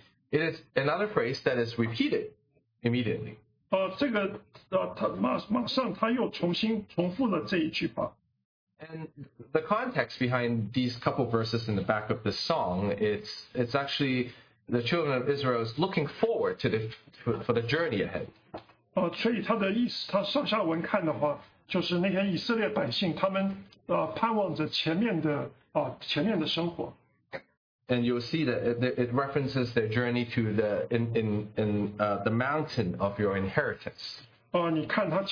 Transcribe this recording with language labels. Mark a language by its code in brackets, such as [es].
[en] It is another phrase that is repeated immediately. [zh] 这个他马上他又重新重复了这一句话。 [en] And the context behind these couple verses in the back of this song, it's actually the children of Israel is looking forward to the for the journey ahead. [zh] 所以他的意思，他上下文看的话。就是那些以色列百姓，他们盼望着前面的生活。And [en] you'll see that it references their journey to the the mountain of your inheritance.